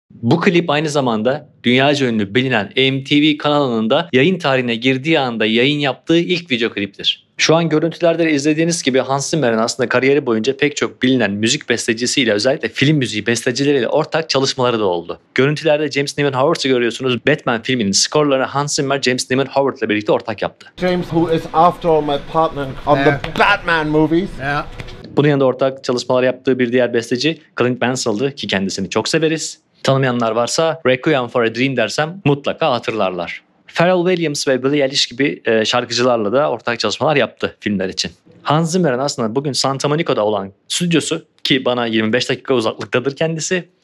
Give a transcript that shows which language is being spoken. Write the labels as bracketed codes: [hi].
[tr] Bu klip aynı zamanda dünyaca ünlü bilinen MTV kanalının da yayın tarihine girdiği anda yayın yaptığı ilk video kliptir. Şu an görüntülerde izlediğiniz gibi Hans Zimmer'in aslında kariyeri boyunca pek çok bilinen müzik bestecisiyle özellikle film müziği bestecileriyle ortak çalışmaları da oldu. Görüntülerde James Newman Howard'ı görüyorsunuz. Batman filminin skorlarını Hans Zimmer James Newman Howard'la birlikte ortak yaptı. [en] James, who is after all my partner on the Batman movies. Yeah. [tr] Bunun yanında ortak çalışmalar yaptığı bir diğer besteci Clint Mansell'dı ki kendisini çok severiz. Tanımayanlar varsa Requiem for a Dream dersem mutlaka hatırlarlar. Pharrell Williams ve Billie Eilish gibi şarkıcılarla da ortak çalışmalar yaptı filmler için. Hans Zimmer'in aslında bugün Santa Monica'da olan stüdyosu ki bana 25 dakika uzaklıktadır kendisi.